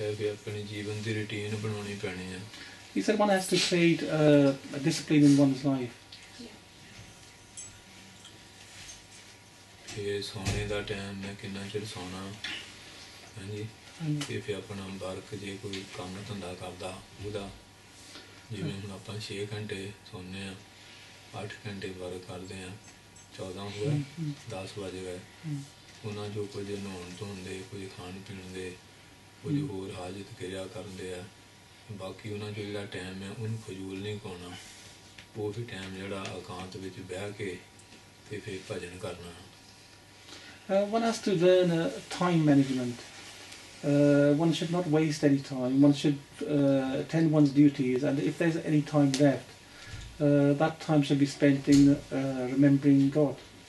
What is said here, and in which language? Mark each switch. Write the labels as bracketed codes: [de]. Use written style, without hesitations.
[pa] ਆਪਣੇ ਜੀਵਨ ਦੀ ਰੂਟੀਨ ਬਣਾਉਣੀ ਪੈਣੀ ਆ [en] You said one has to create a discipline in one's life. [pa] ਇਹ ਸੋਨੇ ਦਾ ਟਾਈਮ ਹੈ ਕਿੰਨਾ ਚਿਰ ਸੋਣਾ ਹਾਂਜੀ ਤੇ ਫਿਰ ਆਪਣਾ ਵਰਕ ਜੇ ਕੋਈ ਕੰਮ ਧੰਦਾ ਕਰਦਾ ਉਹਦਾ ਜਿਵੇਂ ਹੁਣ ਆਪਾਂ 6 ਘੰਟੇ ਸੋਨੇ ਆ 8 ਘੰਟੇ ਵਰਕ ਕਰਦੇ ਆ 14 ਹੋ ਗਏ 10 ਵਜੇ ਗਏ ਉਹਨਾਂ ਜੋ ਕੁਝ ਨਹਾਉਣ ਧੋਣ ਦੇ ਕੁਝ ਖਾਣ ਪੀਣ ਦੇ ਕੁਝ ਹੋਰ ਹਾਜਤ ਕਿਰਿਆ ਕਰਨ ਦੇ ਆ ਬਾਕੀ ਉਹਨਾਂ ਜੋ ਜਿਹੜਾ ਟਾਈਮ ਹੈ ਉਹਨੂੰ ਫਜ਼ੂਲ ਨਹੀਂ ਕਹਾਉਣਾ ਉਹ ਵੀ ਟਾਈਮ ਜਿਹੜਾ ਇਕਾਂਤ ਵਿੱਚ ਬਹਿ ਕੇ ਅਤੇ ਫਿਰ ਭਜਨ ਕਰਨਾ [en] One has to learn time management. One should not waste any time. One should attend one's duties, and if there's any time left, that time should be spent in remembering God.